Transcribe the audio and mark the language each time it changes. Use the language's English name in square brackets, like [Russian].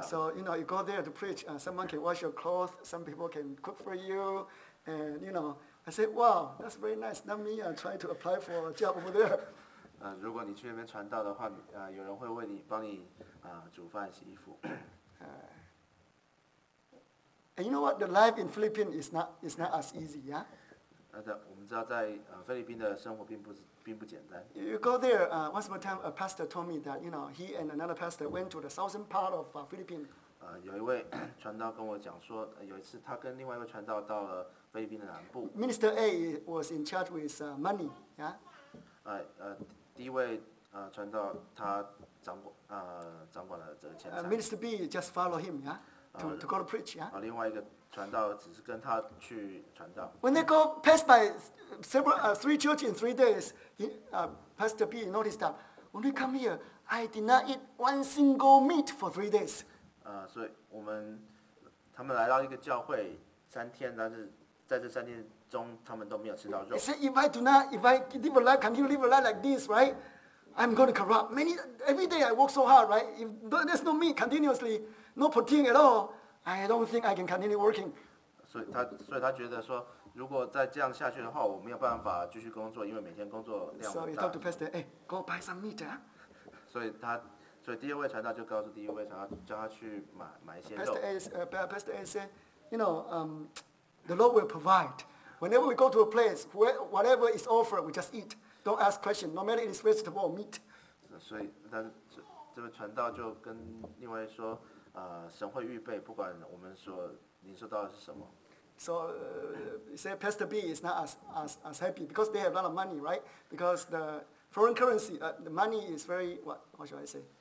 [English] So you know, you go there to preach. Someone can wash your clothes. Some people can cook for you. And you know, I said, "Wow, that's very nice." Not me. I'm trying to apply for a job over there. [Chinese] 如果你去那边传道的话，有人会为你帮你煮饭、洗衣服。 [English] And you know what? The life in Philippines is not as easy, yeah. [Chinese] 我们知道在菲律宾的生活并不简单。 [English] You go there. Once more time, a pastor told me that you know he and another pastor went to the southern part of Philippines. [Chinese] 有一位传道跟我讲说，有一次他跟另外一位传道到了菲律宾的南部。 [English] Minister A was in charge with money, yeah. [Chinese] 第一位传道他掌管了这个钱财。 [English] Minister B just followed him, yeah. To go to preach, yeah. [Chinese] 另外一个传道只是跟他去传道。 [English] When they go pass by several three churches in 3 days, Pastor B noticed that when we come here, I did not eat one single meat for 3 days. [Chinese] 所以他们来到一个教会三天，但是在这三天中，他们都没有吃到肉。 [English] He said, "If I continue live a life like this, right, I'm going to corrupt. Every day I work so hard, right? If there's no meat continuously." No protein at all. I don't think I can continue working. [Chinese] 所以他觉得说，如果再这样下去的话，我没有办法继续工作，因为每天工作量大。 [English] So he talked to Pastor, "Hey, go buy some meat." [Chinese] 所以第二位传道就告诉第一位传道，叫他去买一些肉。 [English] Pastor A said, "You know, the Lord will provide. Whenever we go to a place, whatever is offered, we just eat. Don't ask questions. No matter it is vegetable or meat." [Chinese] 所以他这位传道就跟另外说。神会预备，不管我们所领受到的是什么。 [English] So, say Pastor B is not as happy because they have a lot of money, right? Because the foreign currency, the money is very what should I say?